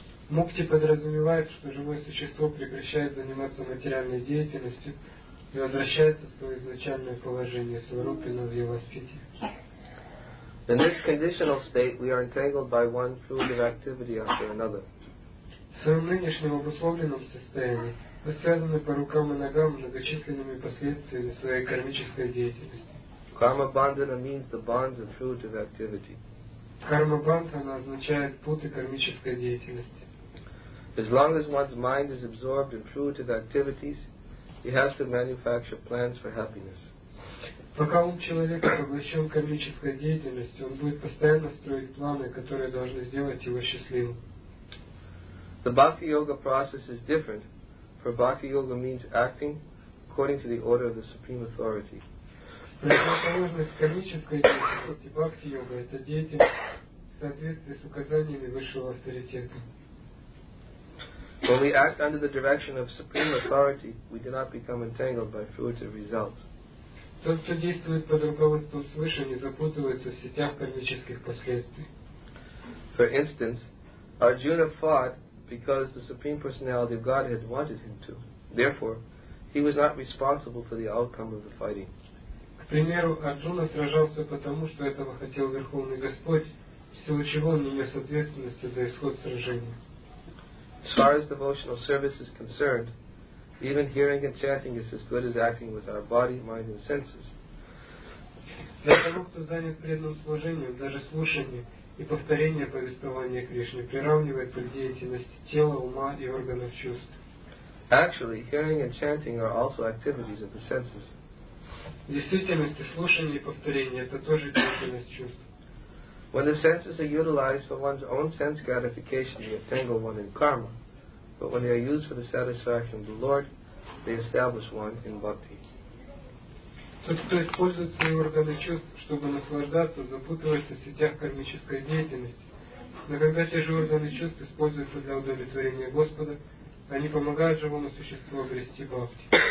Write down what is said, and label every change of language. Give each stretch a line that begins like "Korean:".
Russian: Mukti подразумевает, что живое существо прекращает заниматься материальной деятельностью и возвращается в свое изначальное положение сварупина в его спите.
English: In this conditional state, we are entangled by one fruitive activity after another.
Russian: В своем нынешнем обусловленном состоянии мы связаны по рукам и ногам многочисленными последствиями своей кармической деятельности.
English: Karma bandhana means the bonds of fruitive activity.
Russian: Karma bandhana означает путы кармической деятельности.
English: As long as one's mind is absorbed in fruitive activities, he has to manufacture plans for happiness.
Russian: Пока ум человека поглощен кармической деятельностью, он будет постоянно строить планы, которые должны сделать его счастливым.
English: The bhakti yoga process is different, for bhakti yoga means acting according to the order of the supreme authority.
Russian: Противоположность кармической деятельности бхакти йога это деятельность в соответствии с указаниями высшего авторитета.
English: When we act under the direction of supreme authority, we do not become entangled by fruitive results.
Russian: Тот, кто действует под руководством свыше, не запутывается в сетях кармических последствий.
English: For instance, Arjuna fought because the Supreme Personality of Godhead wanted him to. Therefore, he was not responsible for the outcome of the fighting.
Russian: К примеру, Арджуна сражался потому, что этого хотел Верховный Господь, в силу чего он не нес ответственности за исход сражения.
English: As far as devotional service is concerned, even hearing and chanting is as good as acting with our body, mind, and senses.
Russian: Для того, кто занят преданным служением, даже слушание и повторение повествования Кришны приравнивается к деятельности тела, ума и органов чувств.
English: Actually, hearing and chanting are also activities of the senses.
Russian: В действительности, слушание и повторение – это тоже деятельность чувств.
English: When the senses are utilized for one's own sense gratification, they entangle one in karma. But when they are used for the satisfaction of the Lord, they establish one in bhakti.
Russian: Тот, кто использует свои органы чувств, чтобы наслаждаться, запутывается в сетях кармической деятельности. Но когда те же органы чувств используются для удовлетворения Господа, они помогают живому существу обрести бхакти.